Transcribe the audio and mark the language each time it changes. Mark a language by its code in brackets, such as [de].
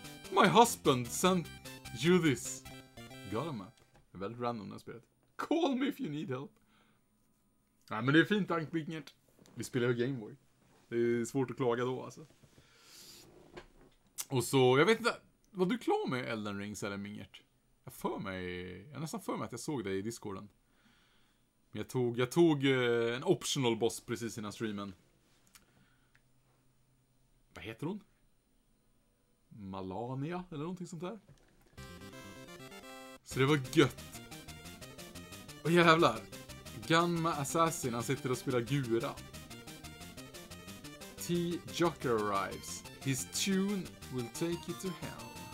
[en] My husband sent you this. Got a map. [sv] Väldigt random det här spelet. [en] Call me if you need help. [sv] Nej, men det är fint tankbygget. Vi spelar ju Gameboy. Det är svårt att klaga då, alltså. Och så, jag vet inte, var du klar med Elden Ring, eller Mingert? Jag nästan för mig att jag såg dig i Discorden. Men jag tog en [en] optional boss [sv] precis innan streamen. Vad heter hon? Malania, eller någonting sånt där. Så det var gött. Åh jävlar. Gunma Assassin, han sitter och spelar Gura. [en] T. Joker arrives. His tune will take you to hell.